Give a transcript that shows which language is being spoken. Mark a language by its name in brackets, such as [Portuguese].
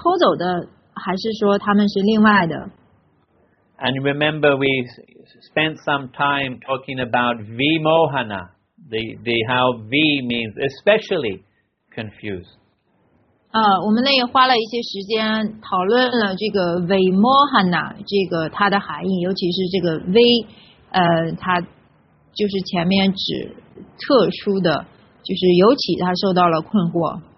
[Chinese] 就是这一套牧牛童以及牧牛这些牛犊是他所偷走的，还是说他们是另外的？ [English] And remember, we spent some time talking about Vimohana, the how V means especially confused. [Chinese] 我们那也花了一些时间讨论了这个 Vimohana 这个它的含义，尤其是这个 V， 它就是前面指特殊的，就是尤其它受到了困惑。